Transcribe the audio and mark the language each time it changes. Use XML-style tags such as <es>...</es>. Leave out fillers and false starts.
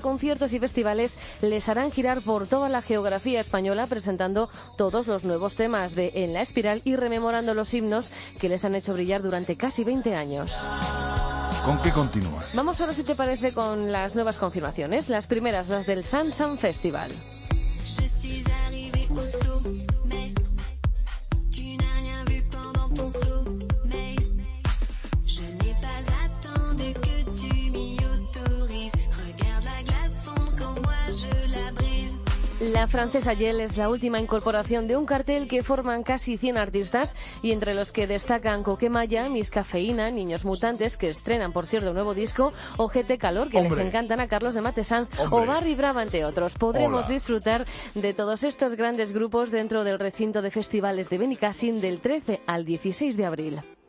<es>Conciertos y festivales les harán girar por toda la geografía española presentando todos los nuevos temas de En la Espiral y rememorando los himnos que les han hecho brillar durante casi 20 años. ¿Con qué continúas? Vamos ahora, si te parece, con las nuevas confirmaciones. Las primeras, las del Sansan Festival.</es> <fr>Je suis arrivée au sommet. Tu n'as rien vu pendant ton sommeil. Je n'ai pas attendu que tu m'y autorises. Regarde la glace fondre quand moi je la brise.</fr> <es>La francesa Yel es la última incorporación de un cartel que forman casi 100 artistas y entre los que destacan Coque Maya, Miss Cafeína, Niños Mutantes, que estrenan, por cierto, un nuevo disco, o GT Calor, que hombre, les encantan a Carlos de Matesanz, hombre, o Barry Brava, entre otros. Podremos hola disfrutar de todos estos grandes grupos dentro del recinto de festivales de Benicassin del 13 al 16 de abril.</es>